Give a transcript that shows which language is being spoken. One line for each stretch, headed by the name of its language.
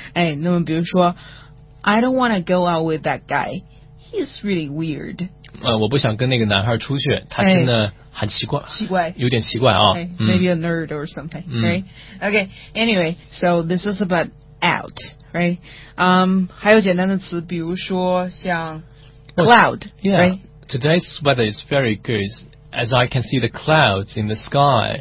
Chinese: 哎，那么比如说
English: I don't want to go out with that guy. He's really weird.
Chinese: 我不想跟那个男孩出去，他真的很奇怪，哎、奇怪，有点奇怪啊、哦
English: okay, ，maybe a nerd or something，、嗯、 right? Okay, anyway, so this is about out, right?
Chinese: 还有简单的词，比如说像 cloud,
English: right? Today's weather is very good, as I can see the clouds in the sky.